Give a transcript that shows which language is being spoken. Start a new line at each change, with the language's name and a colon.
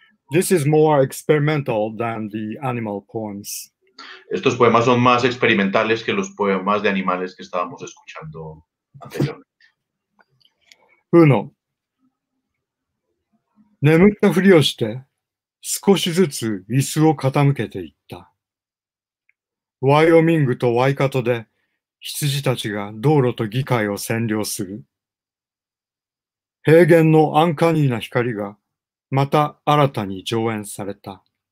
English: This is more experimental than the animal poems.
Spanish: Estos poemas son más experimentales que los poemas de animales que estábamos escuchando anteriormente. Uno.
Japanese: 眠ったふりをして少しずつ椅子を傾けていった。ワイオミングとワイカトで羊たちが道路と議会を占領する。平原のアンカニーな光がまた新たに上演された。